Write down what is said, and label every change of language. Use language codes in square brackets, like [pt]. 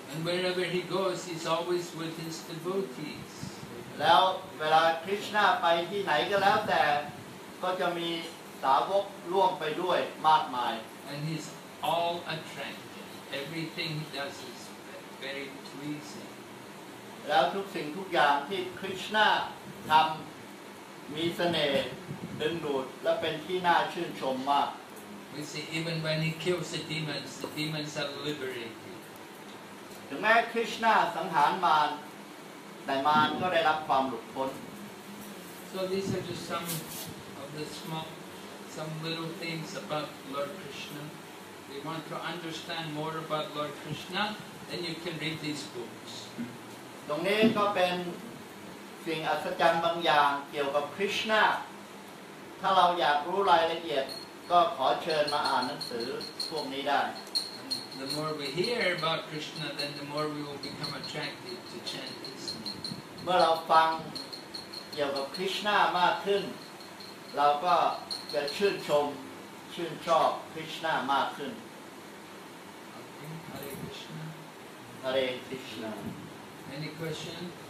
[en] And wherever he goes he's always with his devotees [th] แล้วเวลาคริชนาไปที่ไหนก็แล้วแต่ก็จะมีสาวกร่วมไปด้วยมากมาย [en] And he's all attractive. Everything he does is very pleasing. [th] แล้วทุกสิ่งทุกอย่างที่คริชนาทำมีเสน่ห์ดึงดูดและเป็นที่น่าชื่นชมมาก [en] We see even when he kills the demons are liberated. [th] ถึงแม้คริชนาสังหารมารแต่มารก็ได้รับความหลุดพ้น [en] So these are just some of the smallSome little things about Lord Krishna. If you want to understand more about Lord Krishna, then you can read these books. [th] ตรงนี้ก็เป็นสิ่งอัศจรรย์บางอย่างเกี่ยวกับคริชนาถ้าเราอยากรู้รายละเอียดก็ขอเชิญมาอ่านหนังสือพวกนี้ได้ [en] The more we hear about Krishna, then the more we will become attracted to chant his name. [th] เมื่อเราฟังเกี่ยวกับคริชนามากขึ้นเราก็จะชื่นชมชื่นชอบคริชนามากขึ้น [sa] Hare Krishna Hare Krishna [en] Any question